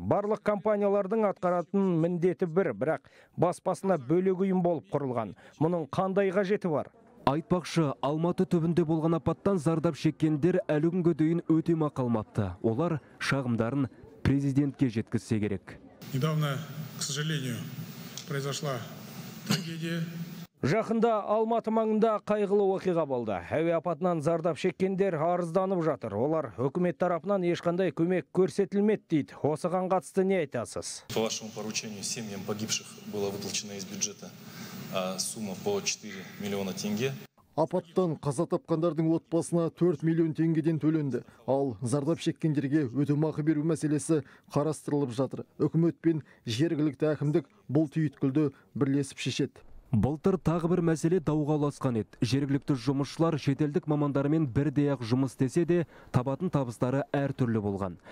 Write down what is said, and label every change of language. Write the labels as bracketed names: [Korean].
[Kazakh] Барлық компаниялардың атқаратын міндеті бір, бірақ баспасына бөлек ұйым болып құрылған. Мұның қандай қажеті бар? Айтпақшы, Алматы түбінде болған апаттан зардап шеккендер әлі күнге дейін өтемақы алмапты. Олар шағымдарын президентке жеткізсе керек. [Russian] Недавно, к сожалению, произошла трагедия. [Kazakh] Жақында Алматы маңында қайғылы оқиға болды. Әуе апатынан зардап шеккендер арызданып жатыр. Олар үкімет тарапынан ешқандай көмек көрсетілмеді дейді. Осыған қатысты не айтасыз? [Russian] По вашему поручению семьям погибших была выплачена из бюджета сумма по 4 миллиона тенге. [Kazakh] Апаттан қаза тапқандардың отбасына 4 миллион теңгеден төленді. Ал зардап шеккендерге өтемақы беру мәселесі қарастырылып жатыр. Үкімет пен жергілікті әкімдік бұл түйткілді бірлесіп шешеді. Былтыр тағы бір мәселе дауға ұласқан еді. Жергілікті жұмысшылар шетелдік мамандармен бірдей-ақ жұмыс істесе де, табатын табыстары әртүрлі болған.